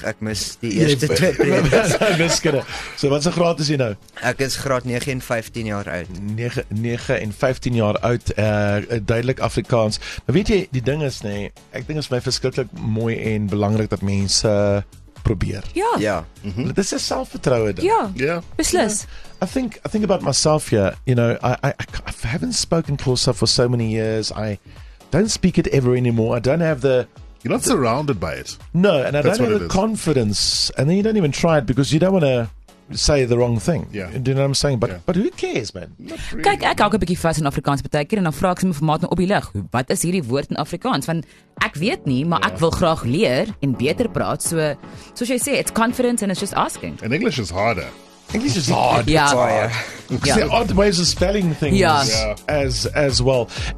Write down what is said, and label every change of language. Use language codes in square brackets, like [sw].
[af] Ek mis die eerste twee periodes. Wiskunde. So wat is die graad is jy nou? Ek is graad 9 en 15 jaar oud. 9 en 15 jaar oud, duidelik Afrikaans. Maar weet jy, die ding is nie, ek dink is my verskriklik mooi en belangrijk. Dat mense probeer. Ja. Ja. Mm-hmm. Dit is 'n selfvertroue ding. Ja. Ja. Beslis. [en] Yeah. I think about myself here, you know, I haven't spoken Xhosa for so many years. I don't speak it ever anymore. I don't have the You're not surrounded by it. No, and I don't have the confidence. And then you don't even try it because you don't want to say the wrong thing. Yeah. Do you know what I'm saying? But who cares, man? [af] Kyk, ek hou ook 'n bietjie vas in Afrikaans baie keer en dan vra ek sommer vir maat op die lig. Wat is hierdie woord in Afrikaans? Want ek weet nie, maar ek wil graag leer en beter praat. [en] So, [af] soos jy sê, [en] it's confidence and it's just asking. And English is harder. English is hard. Yeah. Yeah. There are odd ways of spelling things as well.